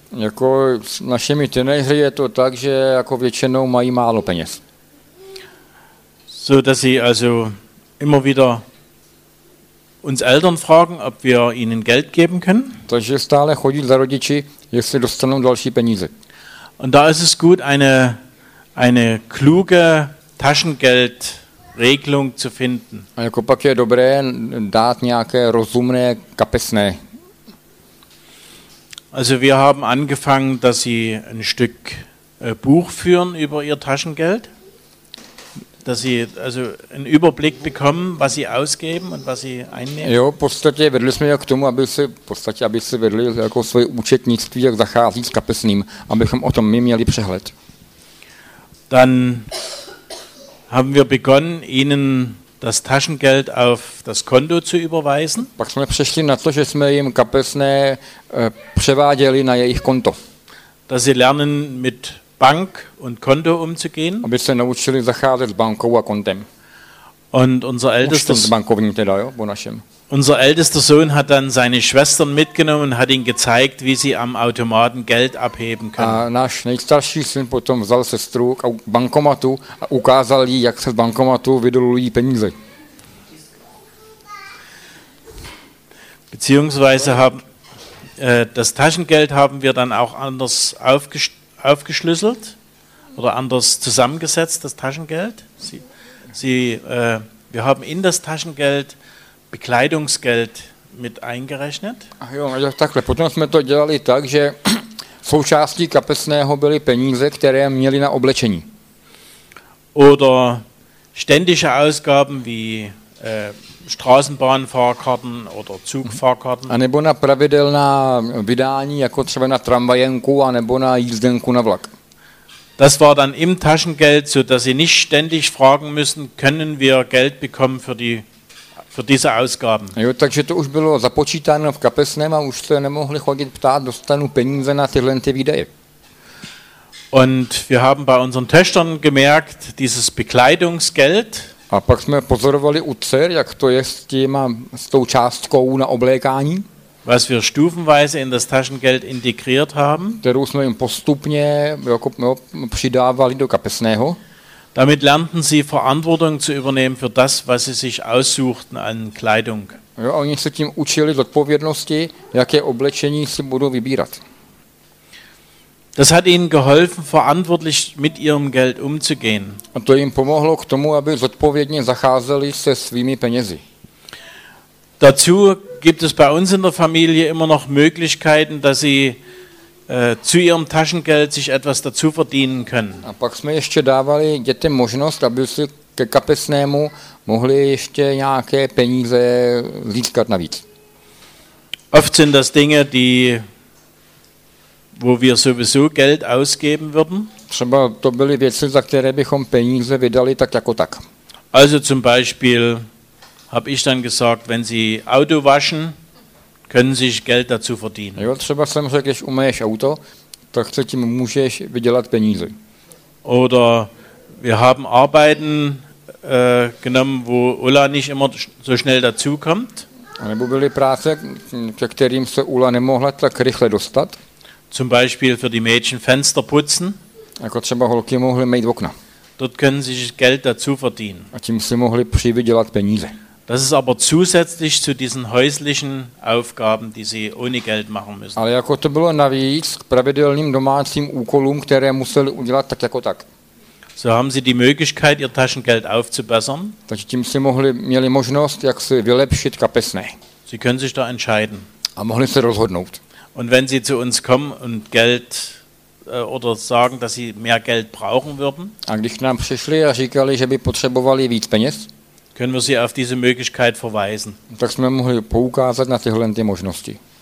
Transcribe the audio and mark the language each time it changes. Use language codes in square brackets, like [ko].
[cs] Jako s našimi teenagery je to tak, že jako většinou mají málo peněz. [de] So dass sie also immer wieder uns Eltern fragen, ob wir ihnen Geld geben können. [cs] Takže stále chodí za rodiči, jestli dostanou další peníze. [de] Und da ist es gut, eine kluge Taschengeldregelung zu finden. [cs] A jako pak je dobré dát nějaké rozumné kapesné. [de] Also wir haben angefangen, dass sie ein Stück Buch führen über ihr Taschengeld, dass sie also einen Überblick bekommen, was sie ausgeben und was sie einnehmen. [cs] Jo, v podstatě vedli jsme je k tomu, aby si vedli jako svoje účetnictví, jak zachází s kapesným, abychom o tom my měli přehled. [de] Dann haben wir begonnen, ihnen das Taschengeld auf das Konto zu überweisen. [cs] Pak jsme přešli na to, že jsme jim kapesné převáděli na jejich konto. [de] Dass sie lernen, mit Bank und Konto umzugehen. [cs] Aby se naučili zacházet s bankou a kontem. [de] Und unser ältester [cs] bankovní teda, jo, po našem. [de] Unser ältester Sohn hat dann seine Schwestern mitgenommen und hat ihnen gezeigt, wie sie am Automaten Geld abheben können. [cs] A náš nejstarší syn potom vzal sestru k bankomatu a ukázal jí, jak se z bankomatu vydolují peníze. [de] Beziehungsweise haben das Taschengeld haben wir dann auch anders aufgeschlüsselt oder anders zusammengesetzt, das Taschengeld. Wir haben in das Taschengeld Bekleidungsgeld mit eingerechnet. [cs] Ach jo, no, takhle. Potom jsme to dělali tak, že součástí kapesného byly peníze, které měli na oblečení. [de] Oder ständische Ausgaben wie Straßenbahnfahrkarten oder Zugfahrkarten. [cs] A nebo na pravidelná vydání, jako třeba na tramvajenku a nebo na jízdenku na vlak. [de] Das war dann im Taschengeld, so dass sie nicht ständig fragen müssen, können wir Geld bekommen für diese Ausgaben. [cs] Jo, takže to už bylo započítáno v kapesném a už se nemohli chodit ptát, dostanu peníze na tyhle ty výdaje. [de] Und wir haben bei unseren Töchtern gemerkt, dieses Bekleidungsgeld. [cs] A pak jsme pozorovali u dcer, jak to je s tou částkou na oblékání. [de] Was wir stufenweise in das Taschengeld integriert haben. [cs] Kterou jsme jim postupně jako, jo, přidávali do kapesného. [de] Damit lernten sie Verantwortung zu übernehmen für das, was sie sich aussuchten an Kleidung. [cs] Jo, oni se tím učili zodpovědnosti, jaké oblečení si budou vybírat. [de] Das hat ihnen geholfen, verantwortlich mit ihrem Geld umzugehen. [cs] A to jim pomohlo k tomu, aby zodpovědně zacházeli se svými penězi. [de] Dazu gibt es bei uns in der Familie immer noch Möglichkeiten, dass sie zu ihrem Taschengeld sich etwas dazu verdienen können. [cs] A pak jsme ještě dávali dětem možnost, aby si ke kapesnému mohli ještě nějaké peníze získat navíc. [de] Oft sind das Dinge, die wo wir sowieso Geld ausgeben würden. [cs] Třeba to byly věci, za které bychom peníze vydali tak jako tak. [de] Also zum Beispiel habe ich dann gesagt, wenn Sie Auto waschen, können Sie sich Geld dazu verdienen. [cs] Jo, třeba jsem řekl, když umyješ auto, tak se tím můžeš vydělat peníze. [de] Oder wir haben Arbeiten genommen, wo Ulla nicht immer so schnell dazu kommt. [cs] A nebo byly práce, ke kterým se Ulla nemohla tak rychle dostat. [de] Zum Beispiel für die Mädchen Fenster putzen. [cs] Jako třeba holky mohly mít okna. [de] Dort können sie sich Geld dazu verdienen. [cs] A tím si mohli přivydělat peníze. [de] Das ist aber zusätzlich zu diesen häuslichen Aufgaben, die sie ohne Geld machen müssen. [cs] Ale jako to bylo navíc k pravidelným domácím úkolům, které museli udělat tak jako tak. [de] So haben sie die Möglichkeit, ihr Taschengeld aufzubessern. [cs] Takže tím si mohli, měli možnost, jak si vylepšit kapesné. [de] Sie können sich da entscheiden. [cs] A mohli se rozhodnout. [de] Und wenn sie zu uns kommen und Geld oder sagen, dass sie mehr Geld brauchen würden, [cs] a když k nám přišli a říkali, že by potřebovali víc peněz, [de] können wir sie auf diese Möglichkeit verweisen. [cs] Tak jsme mohli poukázat na tyhle ty možnosti.